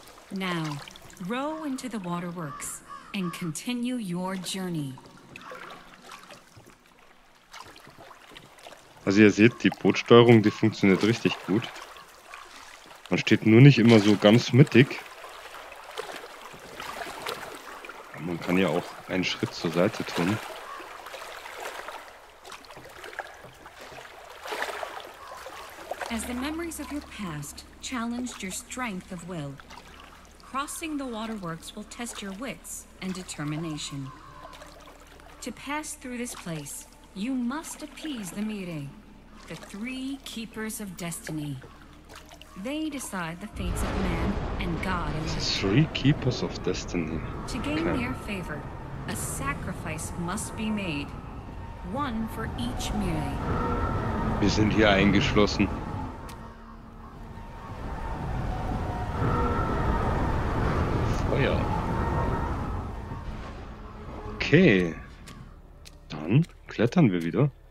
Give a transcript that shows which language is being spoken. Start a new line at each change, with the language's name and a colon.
English: Now, row into the waterworks and continue your journey.
German: Also ihr seht, die Bootsteuerung, die funktioniert richtig gut. Man steht nur nicht immer so ganz mittig. Man kann ja auch einen Schritt zur Seite tun.
English: As the memories of your past challenged your strength of will, crossing the waterworks will test your wits and determination. To pass through this place, you must appease the Mire, the three keepers of destiny. They decide the fates of man and God. The three keepers of destiny. To gain their favor, a sacrifice must be made. One for each Mire.
German: Wir sind hier eingeschlossen. Feuer. Okay. Dann klettern wir wieder.